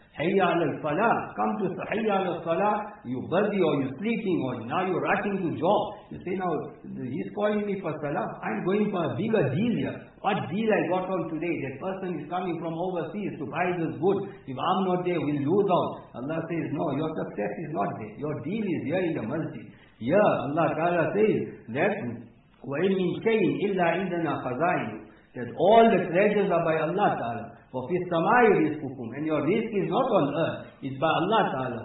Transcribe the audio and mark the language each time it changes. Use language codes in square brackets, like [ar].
[ar] Hayya ala al-salah. [en] Come to hayya ala al-salah. You busy or you sleeping or now you rushing to job. You say now, he's calling me for salah. I'm going for a bigger deal here. What deal I got on today? That person is coming from overseas to buy this good. If I'm not there, we'll lose out. Allah says, no, your success is not there. Your deal is here in the masjid. Here, Allah Ta'ala says that [ar] وَإِنْ مِنْ شَيْءٍ إِلَّا عِنْدَنَا خَزَائِنُ. [en] That all the treasures are by Allah Ta'ala. For [ar] fi samai rizqukum, [en] and your risk is not on earth, it's by Allah Ta'ala.